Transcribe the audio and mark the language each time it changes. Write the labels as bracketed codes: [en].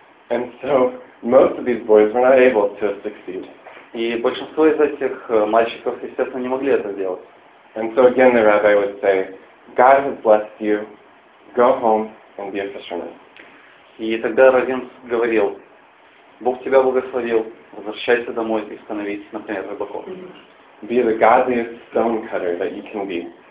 [en] And so most of these boys were not able to succeed. [ru] И большинство из этих мальчиков, естественно, не могли это сделать. [en] And so again the rabbi would say, God has blessed you, go home and be a fisherman. [ru] И тогда раввин говорил, Бог тебя благословил, возвращайся домой и становись, например, рыбаком. [en] Be the godliest stone cutter that you can be.